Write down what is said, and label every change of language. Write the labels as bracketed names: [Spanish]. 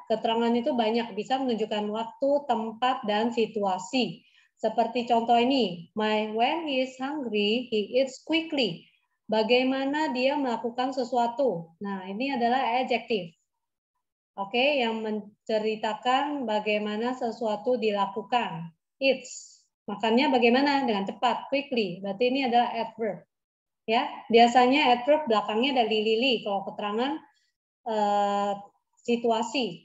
[Indonesian] Keterangan itu banyak, bisa menunjukkan waktu, tempat, dan situasi. Seperti contoh ini, [English] when he is hungry, he eats quickly. [Indonesian] Bagaimana dia melakukan sesuatu? Nah, ini adalah adjective. Oke, okay, yang menceritakan bagaimana sesuatu dilakukan. It's. Makannya bagaimana? Dengan cepat, quickly. Berarti ini adalah adverb. Ya, biasanya adverb belakangnya ada li-li-li. Kalau keterangan situasi.